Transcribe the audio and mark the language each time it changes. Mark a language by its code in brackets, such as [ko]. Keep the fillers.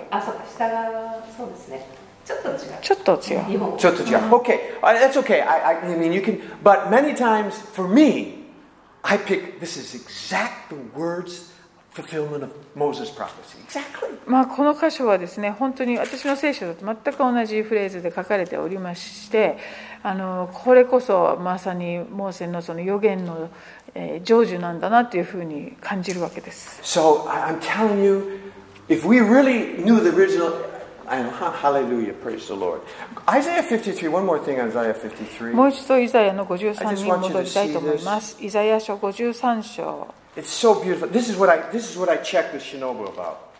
[ja] あ、そうか、下側、そうですね。ちょっと違う。ちょっと違う。ちょっと違う。 [en] OK。 That's OK. I, I, I mean, you can. But many times for me, I pick this is exact the words fulfillment of Moses' prophecy. Exactly. [ja] まあこの箇所はですね、本当に私の聖書だと全く同じフレーズで書かれておりまして、あのこれこそまさにモーセのその予言の。 [en] Mm hmm. [ja] 成就なんだなというふうに感じるわけです。 [en] So, I'm telling you, if we really knew the original, I know, hallelujah, praise the Lord. Isaiah 53, one more thing on Isaiah 53. [ja] もう一度、イザヤの53章に戻りたいと思います。イザヤ書53章。 [en] It's so beautiful. This is what I, this is what I checked with Shinobu about.